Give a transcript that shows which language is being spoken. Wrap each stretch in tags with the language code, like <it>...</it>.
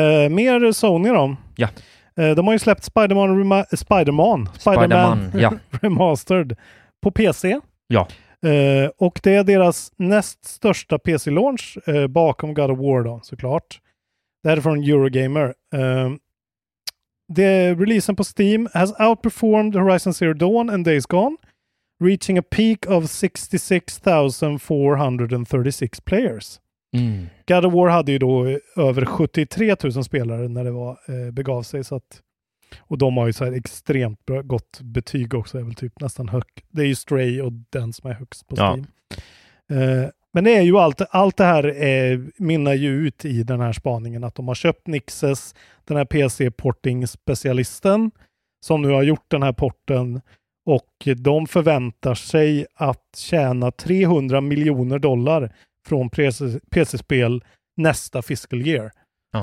<sv>Mer Sony då. Ja. De har ju släppt Spider-Man Remastered på PC. Ja. Och det är deras näst största PC-launch bakom God of War då, såklart. Det här är från Eurogamer.</sv> <en>The</en> <sv>releasen på</sv> <en>Steam has outperformed Horizon Zero Dawn and Days Gone, reaching a peak of 66,436 players.</en> <sv>God of War hade ju då över 73 000 spelare när det var, begav sig. Så att, och de har ju så här extremt gott betyg också. Är väl typ nästan det är ju Stray och den som är högst på Steam. Men det är ju allt det här minnar ju ut i den här spaningen att de har köpt Nixes, den här PC-porting-specialisten som nu har gjort den här porten och de förväntar sig att tjäna 300 miljoner dollar från PC-spel nästa fiscal year. Ja.</sv>